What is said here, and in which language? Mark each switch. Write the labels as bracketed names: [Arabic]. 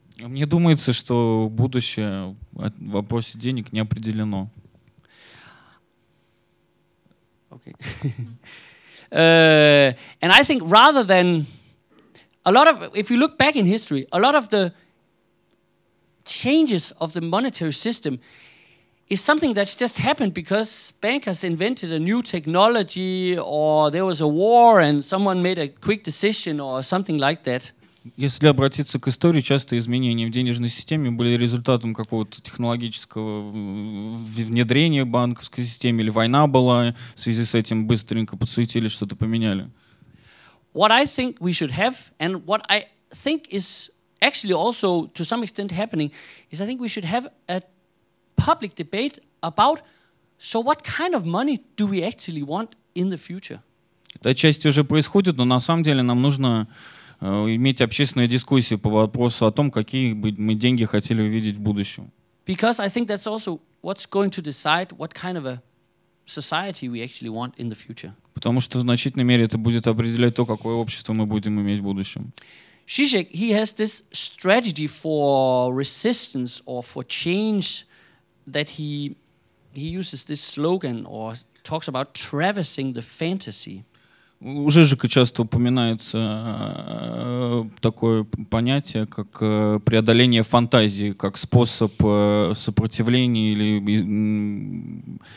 [Russian] Мне думается, что будущее в вопросе денег не определено. [English] Okay. and I think rather than if you look back in history, a lot of the changes of the monetary system is something that's just happened because bankers invented a new technology or there was a war and someone made a quick decision or something like that. [Russian] Если обратиться к истории, часто изменения в денежной системе были результатом какого-то технологического внедрения в банковской системе или война была, в связи с этим быстренько подсуетили, что-то поменяли. [English] What I think we should have and what I think is actually also to some extent happening is I think we should have a public debate about so what kind of money do we actually want in the future? [Russian] Эта часть уже происходит, но на самом деле нам нужно иметь общественную дискуссию по вопросу о том, какие бы мы деньги хотели увидеть в будущем. [English] Because I think that's also what's going to decide what kind of a society we actually want in the future. [Russian] Потому что в значительной мере это будет определять то, какое общество мы будем иметь в будущем. [English] Žižek, he has this strategy for resistance or for change that he uses this slogan or talks about traversing the fantasy. [Russian] У Жижека часто упоминается такое понятие, как преодоление фантазии, как способ сопротивления или